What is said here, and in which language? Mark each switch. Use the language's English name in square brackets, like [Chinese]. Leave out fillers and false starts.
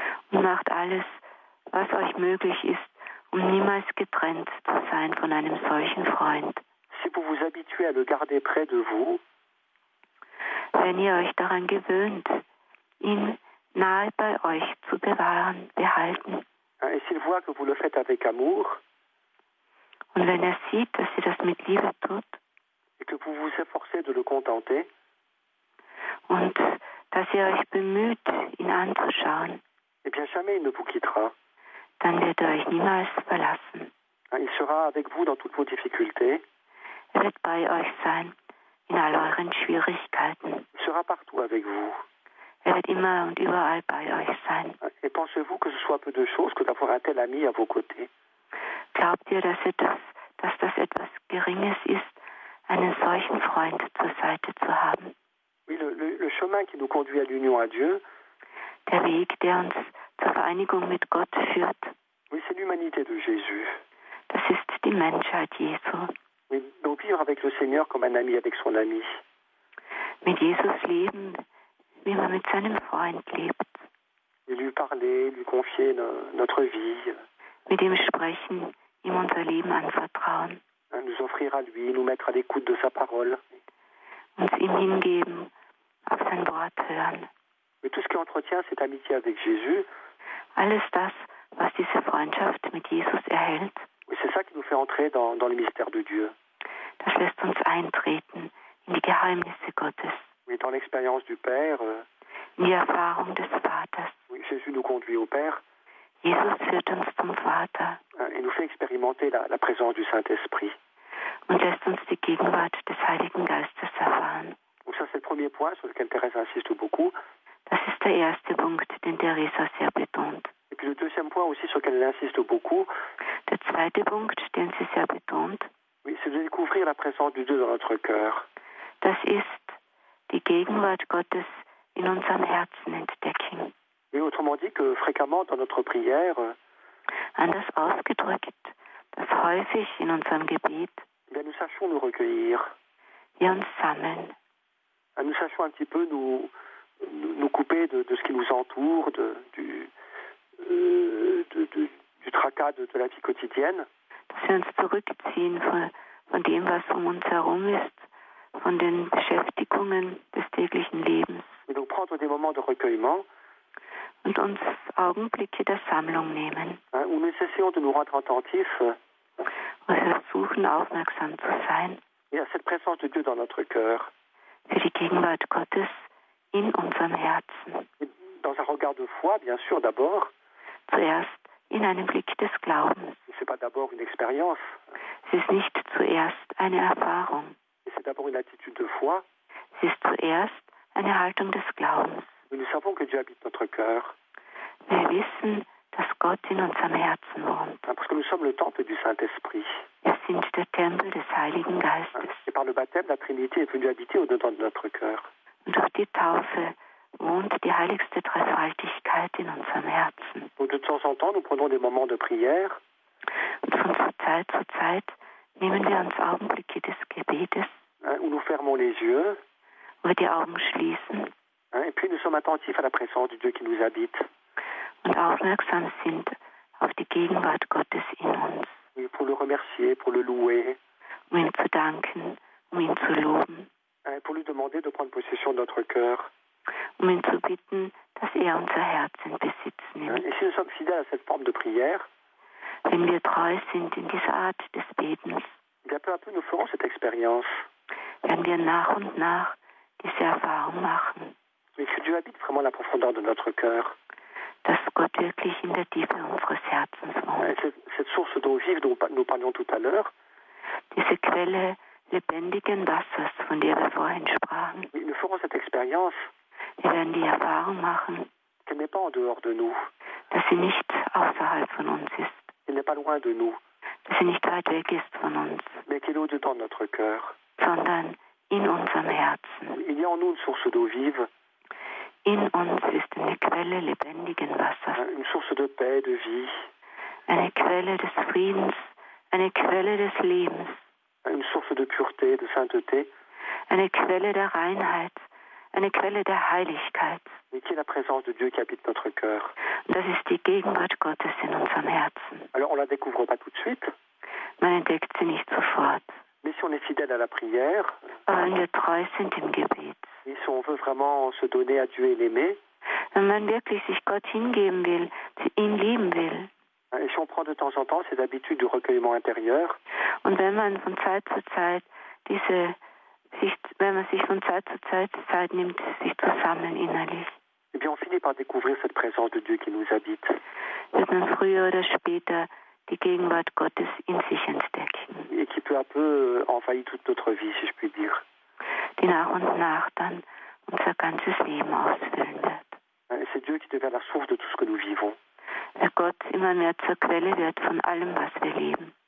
[German] Und macht alles, was euch möglich ist, um niemals getrennt zu sein von einem solchen Freund. [French] Si vous vous habituez à le garder près de vous, [German] wenn ihr euch daran gewöhnt, ihn nahe bei euch zu bewahren, behalten. [French] Et s'il voit que vous le faites avec amour, [German] und wenn er sieht, dass ihr das mit Liebe tut, [French] et que vous vous efforcez de le contenter, [German] und dass ihr euch bemüht, ihn anzuschauen, [French] et bien jamais il ne vous quittera. [German] Dann wird er euch niemals verlassen. [French] Il sera avec vous dans toutes vos difficultés. [German] Er wird bei euch sein in all euren Schwierigkeiten. [French] Il sera partout avec vous. [German] Er wird immer und überall bei euch sein. [French] Et pensez-vous que ce soit peu de chose que d'avoir un tel ami à vos côtés? [German] Glaubt ihr, dass das etwas Geringes ist, einen solchen Freund zur Seite zu haben? [French] Oui, le chemin qui nous conduit à l'union à Dieu. [German] Der Weg, der uns zur Vereinigung mit Gott führt. [French] Oui, c'est l'humanité de Jésus. [German] Das ist die Menschheit Jesu. [French] Oui, donc vivre avec le Seigneur comme un ami avec son ami. [German] Mit Jesus leben, wie man mit seinem Freund lebt. [French] Et lui parler, lui confier notre vie. [German] Mit ihm sprechen, ihm unser Leben anvertrauen. [French] Nous offrir à lui, nous mettre à l'écoute de sa parole. [German] Uns ihm hingeben, auf sein Wort hören. [French] Mais tout ce qui entretient cette amitié avec Jésus, [German] alles das, was diese Freundschaft mit Jesus erhält, [French] c'est ça qui nous fait entrer dans le mystère de Dieu. [German] Das lässt uns eintreten in die Geheimnisse Gottes. [French] Mais dans l'expérience du Père, [German] in die Erfahrung des Vaters. [French] Oui, Jésus nous conduit au Père. [German] Jesus führt uns zum Vater. [French] Il nous fait expérimenter la présence du Saint-Esprit. [German] Und lässt uns die Gegenwart des Heiligen Geistes erfahren. [French] Donc ça, c'est le premier point sur lequel Thérèse insiste beaucoup. [German] Das ist der erste Punkt, den Teresa sehr betont. [French] Et puis le deuxième point aussi sur lequel elle insiste beaucoup. [German] Der zweite Punkt, den sie sehr betont. [French] Oui, c'est de découvrir la présence du Dieu dans notre cœur. [German] Das ist die Gegenwart Gottes in unserem Herzen entdecken. [French] Oui, autrement dit que fréquemment dans notre prière. [German] Anders ausgedrückt, dass häufig in unserem Gebet. [French] Bien, nous sachons nous recueillir. [German] Wir uns sammeln. [French] Nous sachons un petit peu nous couper de ce qui nous entoure, du tracas de la vie quotidienne. [German] Dass wir uns zurückziehen von dem, was um uns herum ist, von den Beschäftigungen des täglichen Lebens. [French] Et donc prendre des moments de recueillement. [German] Und uns Augenblicke der Sammlung nehmen. [French] Où nous essayons de nous rendre attentifs. [German] Und versuchen, aufmerksam zu sein. [French] Et à cette présence de Dieu dans notre cœur. [German] für die Gegenwart Gottes in unserem Herzen. [French] Dans un regard de foi, bien sûr, d'abord. [German] Zuerst in einem Blick des Glaubens. [French] C'est pas d'abord une expérience. [German] Es ist nicht zuerst eine Erfahrung. [French] C'est d'abord une attitude de foi. [German] Es ist zuerst eine Haltung des Glaubens. [French] Mais nous savons que Dieu habite notre cœur. [German] Wir wissen, dass Gott in unserem Herzen wohnt. [French] Parce que nous sommes le temple du Saint-Esprit. [German] Wir sind der Tempel des Heiligen Geistes. [French] Et par le baptême, la Trinité est venue habiter au-dedans de notre cœur. [German] Durch die Taufe wohnt die heiligste Dreifaltigkeit in unserem Herzen. [French] Donc de temps en temps, nous prenons des moments de prière. [German] Und von Zeit zu Zeit nehmen wir uns Augenblicke des Gebetes. [French] Où nous fermons les yeux. [German] Wo wir die Augen schließen. [French] Et puis nous sommes attentifs à la présence du Dieu qui nous habite. [German] Und aufmerksam sind auf die Gegenwart Gottes in uns. [French] Oui, pour le remercier, pour le louer. [German] Um ihn zu danken, um ihn zu loben. [French] Pour lui demander de prendre possession de notre cœur. [German] Um ihn zu bitten, dass unser Herz in Besitz nimmt. [French] Et si nous sommes fidèles à cette forme de prière, [German] wenn wir treu sind in dieser Art des Betens, [French] bien, peu à peu nous ferons cette expérience. [German] Werden wir nach und nach diese Erfahrung machen. [French] Mais que Dieu habite vraiment la profondeur de notre cœur. [German] Dass Gott wirklich in der Tiefe unseres Herzens wohnt. [French] Cette source d'eau vive dont nous parlions tout à l'heure. [German] Diese Quelle lebendigen Wassers, von der wir vorhin sprachen. [French] Nous ferons cette expérience. [German] Wir werden die Erfahrung machen. [French] Qu'elle n'est pas en dehors de nous. [German] Dass sie nicht außerhalb von uns ist. [French] Elle n'est pas loin de nous. [German] Dass sie nicht weit weg ist von uns. [French] Mais qu'elle est au-dedans de notre cœur. [German] Sondern in unserem Herzen. [French] Il y a en nous une source d'eau vive. [German] In uns ist eine Quelle lebendigen Wassers. [French] Une source de paix, de vie. [German] Eine Quelle des Friedens, eine Quelle des Lebens. [French] Une source de pureté, de sainteté. [German] Eine Quelle der Reinheit, eine Quelle der Heiligkeit. [French] Mais qui est la présence de Dieu qui habite notre cœur. [German] Das ist die Gegenwart Gottes in unserem Herzen. [French] Alors on la découvre pas tout de suite. [German] Man entdeckt sie nicht sofort. [French] Mais si on est fidèle à la prière. [German] Aber wenn wir treu sind im Gebet. [French] Et si on veut vraiment se donner à Dieu et l'aimer, [German] wenn man wirklich sich Gott hingeben will, ihn lieben will, [French] et si on prend de temps en temps ces habitudes du recueillement intérieur, [German] und wenn man von Zeit zu Zeit diese, wenn man sich von Zeit zu Zeit Zeit nimmt, sich zu sammeln innerlich, [French] et bien on finit par découvrir cette présence de Dieu qui nous habite, [German] wird man früher oder später die Gegenwart Gottes in sich entdecken, [French] et qui peu à peu envahit toute notre vie, si je puis dire. [German] Die nach und nach dann unser ganzes Leben ausfüllen wird. Der Gott immer mehr zur Quelle wird von allem, was wir leben.